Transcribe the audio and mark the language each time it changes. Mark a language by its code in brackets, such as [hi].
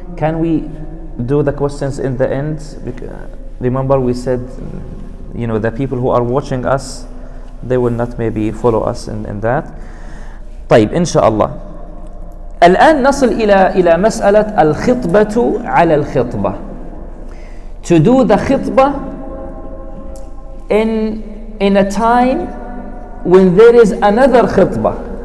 [en] Can we do the questions in the end? Remember we said, you know, the people who are watching us, they will not maybe follow us in that. [ar] طيب, إن شاء الله. الآن نصل إلى مسألة الخطبة على الخطبة. [en] To do the خطبة in a time when there is another خطبة.